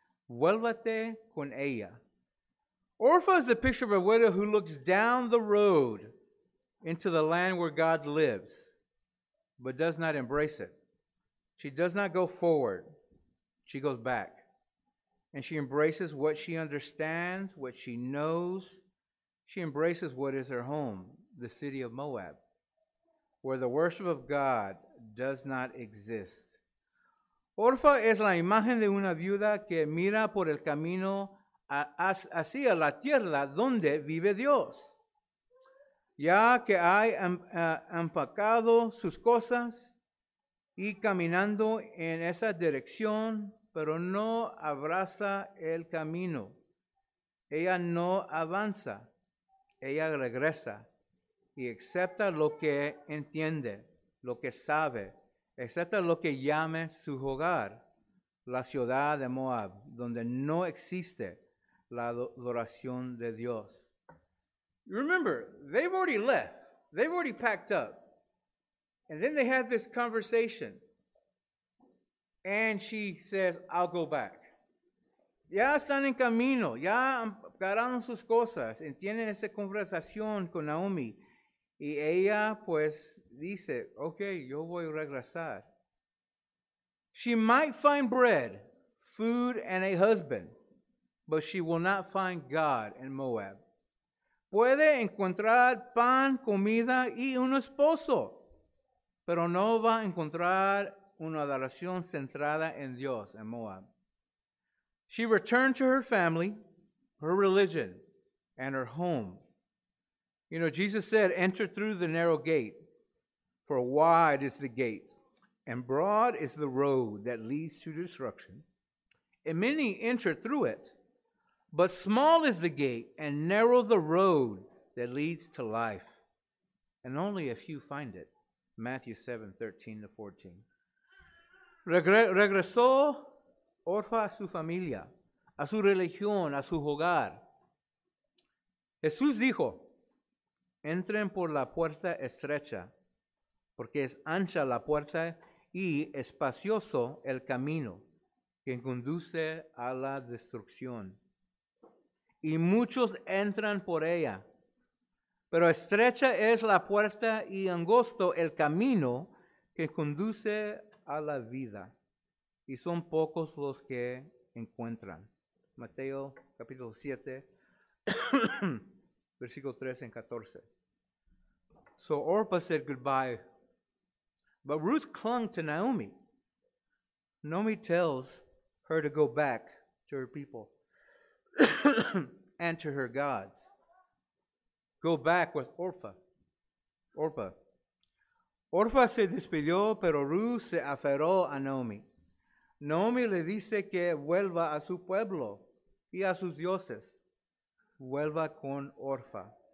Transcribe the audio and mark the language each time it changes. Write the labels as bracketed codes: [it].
[es] Vuélvate con ella. [en] Orfa is the picture of a widow who looks down the road into the land where God lives, but does not embrace it. She does not go forward. She goes back. And she embraces what she understands, what she knows. She embraces what is her home, the city of Moab, where the worship of God does not exist. [es] Orfa es la imagen de una viuda que mira por el camino hacia la tierra donde vive Dios. ya que hay empacado sus cosas y caminando en esa dirección, pero no abraza el camino. Ella no avanza, ella regresa y acepta lo que entiende, lo que sabe, acepta lo que llame su hogar, la ciudad de Moab, donde no existe la adoración de Dios. [en] Remember, they've already left. They've already packed up. And then they had this conversation. And she says, I'll go back. [es] Ya están en camino. Ya agarraron sus cosas. Y tienen esa conversación con Naomi. Y ella, pues, dice, okay, yo voy a regresar. [en] She might find bread, food, and a husband, but she will not find God in Moab. [es] Puede encontrar pan, comida y un esposo, pero no va a encontrar una adoración centrada en Dios en Moab. [en] She returned to her family, her religion, and her home. You know, Jesus said, enter through the narrow gate, for wide is the gate, and broad is the road that leads to destruction. And many enter through it, but small is the gate, and narrow the road that leads to life, and only a few find it. Matthew 7:13-14. [es] Regresó Orfa a su familia, a su religión, a su hogar. Jesús dijo, entren por la puerta estrecha, porque es ancha la puerta y espacioso el camino que conduce a la destrucción. Y muchos entran por ella, pero estrecha es la puerta y angosto el camino que conduce a la vida, y son pocos los que encuentran. Mateo capítulo 7, versículo 13 and 14. [en] So Orpah said goodbye, but Ruth clung to Naomi. Naomi tells her to go back to her people and to her gods. Go back with Orpah. [es] Orpah se despidió, pero Ruth se aferró a Naomi. Naomi le dice que vuelva a su pueblo y a sus dioses. Vuelva con Orpah.